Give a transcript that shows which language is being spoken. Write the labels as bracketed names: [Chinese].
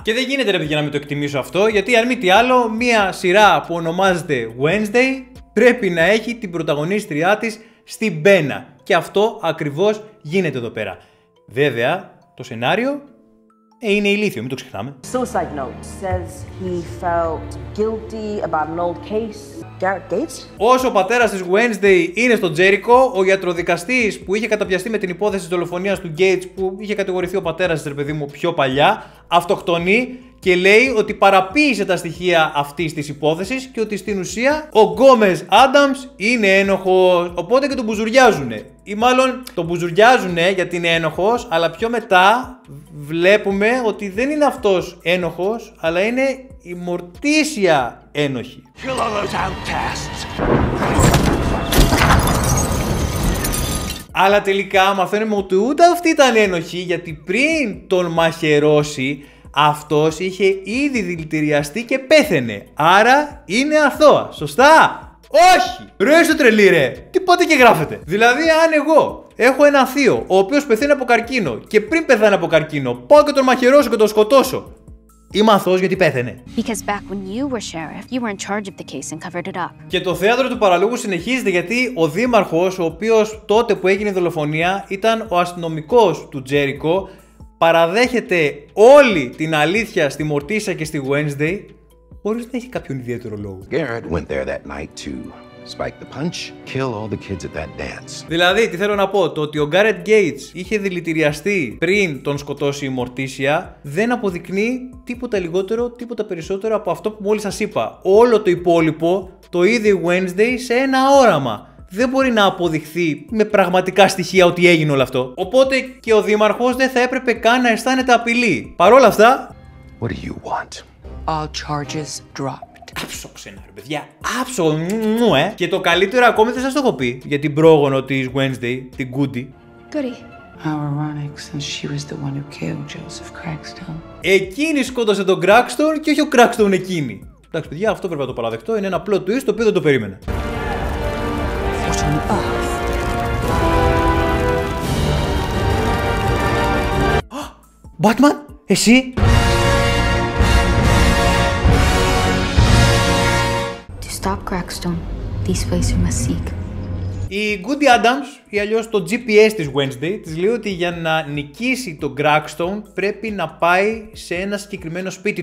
[Greek] Και δεν γίνεται, ρε παιδιά, να μην το εκτιμήσω αυτό, γιατί αν μη τι άλλο, μία σειρά που ονομάζεται Wednesday πρέπει να έχει την πρωταγωνίστριά της στην πένα. Και αυτό ακριβώς γίνεται εδώ πέρα. Βέβαια, το σενάριο είναι ηλίθιο, μην το ξεχνάμε. [English] Suicide note says he felt guilty about an old case. Garrett Gates. [Greek] Όσο ο πατέρας της Wednesday είναι στο Τζέρικο, ο γιατροδικαστής που είχε καταπιαστεί με την υπόθεση της δολοφονίας του Gates, που είχε κατηγορηθεί ο πατέρας της, ρε παιδί μου, πιο παλιά, αυτοκτονεί και λέει ότι παραποίησε τα στοιχεία αυτής της υπόθεσης και ότι στην ουσία ο Γκόμες Άνταμς είναι ένοχος. Οπότε και τον μπουζουριάζουνε. Ή μάλλον τον μπουζουριάζουνε γιατί είναι ένοχος, αλλά πιο μετά βλέπουμε ότι δεν είναι αυτός ένοχος, αλλά είναι η Μορτίσια ένοχη. [English] Kill all those outcasts. [Greek] Αλλά τελικά μαθαίνουμε ότι ούτε αυτή ήταν ένοχη, γιατί πριν τον μαχαιρώσει, αυτός είχε ήδη δηλητηριαστεί και πέθαινε. Άρα είναι αθώα. Σωστά. Όχι. Ρε στο τρελή, ρε. Τι πότε και γράφετε. Δηλαδή, αν εγώ έχω ένα θείο ο οποίος πεθαίνει από καρκίνο και πριν πεθάνει από καρκίνο πάω και τον μαχαιρώσω και τον σκοτώσω, είμαι αθώος γιατί πέθαινε. [English] Because back when you were sheriff, you were in charge of the case and covered it up. [Greek] Και το θέατρο του παραλόγου συνεχίζεται, γιατί ο δήμαρχος, ο οποίος τότε που έγινε η δολοφονία ήταν ο αστυνομικός του Τζέρικο, παραδέχεται όλη την αλήθεια στη Μορτίσα και στη Wednesday χωρίς να έχει κάποιον ιδιαίτερο λόγο. [English] Garrett went there that night to spike the punch, kill all the kids at that dance. [Greek] Δηλαδή, τι θέλω να πω, το ότι ο Garrett Gates είχε δηλητηριαστεί πριν τον σκοτώσει η Μορτίσια δεν αποδεικνύει τίποτα λιγότερο, τίποτα περισσότερο από αυτό που μόλις σας είπα. Όλο το υπόλοιπο το είδε η Wednesday σε ένα όραμα. Δεν μπορεί να αποδειχθεί με πραγματικά στοιχεία ότι έγινε όλο αυτό. Οπότε και ο δήμαρχος δεν θα έπρεπε καν να αισθάνεται απειλή. Παρόλα αυτά, [English] what do you want? All charges dropped. [Greek] Άψο ξενάρι, παιδιά. Άψο, μου. Και το καλύτερο ακόμη δεν σας το έχω πει για την πρόγονο της Wednesday, την Goody. [English] Goody. How ironic, since she was the one who killed Joseph Crackstone. [Greek] Εκείνη σκότωσε τον Crackstone και όχι ο Crackstone εκείνη. Εντάξει, παιδιά, αυτό πρέπει να το παραδεχτώ. Είναι ένα plot twist το οποίο δεν το περίμενα. Batman, εσύ! [English] To stop Crackstone, this place you must seek. [Greek] Η Goody Adams, ή αλλιώς το GPS της Wednesday, της λέει ότι για να νικήσει τον Crackstone πρέπει να πάει σε ένα συγκεκριμένο σπίτι.